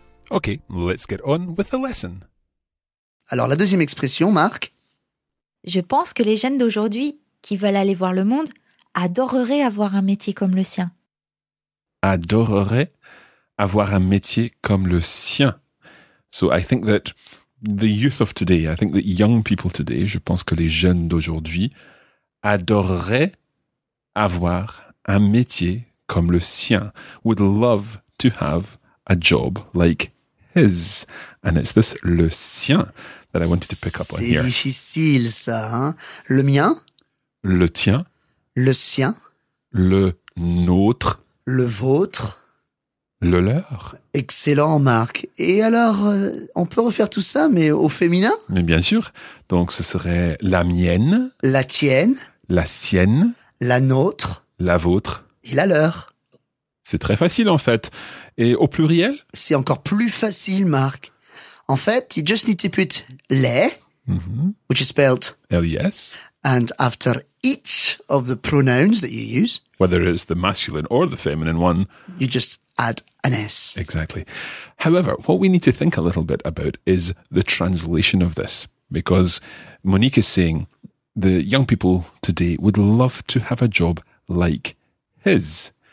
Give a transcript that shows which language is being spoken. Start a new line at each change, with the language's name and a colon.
English: Ok, let's get on with the lesson.
French: Alors, la deuxième expression, Marc. Je pense que les jeunes d'aujourd'hui, qui veulent aller voir le monde, adoreraient avoir un métier comme le sien. Adoreraient avoir un métier comme le sien.
English: So, I think that the youth of today, I think that young people today,
French: je pense que les jeunes d'aujourd'hui, adoreraient avoir un métier comme le sien.
English: Would love to have a job like his. And it's this le sien that I wanted to pick up on here.
French: C'est difficile ça, hein? Le mien. Le tien. Le sien. Le nôtre. Le vôtre. Le leur. Excellent, Marc. Et alors, on peut refaire tout ça, mais au féminin? Mais bien sûr. Donc, ce serait la mienne. La tienne. La sienne. La nôtre. La vôtre. Et la leur. C'est très facile, en fait. Et au pluriel? C'est encore plus facile, Marc. En fait,
English: you just need to put les, which is spelled L-E-S, and after each of the pronouns that you use, whether it's the masculine or the feminine one, you just add an S. Exactly. However, what we need to think a little bit about is the translation of this, because Monique is saying the young people today would love to have a job like his.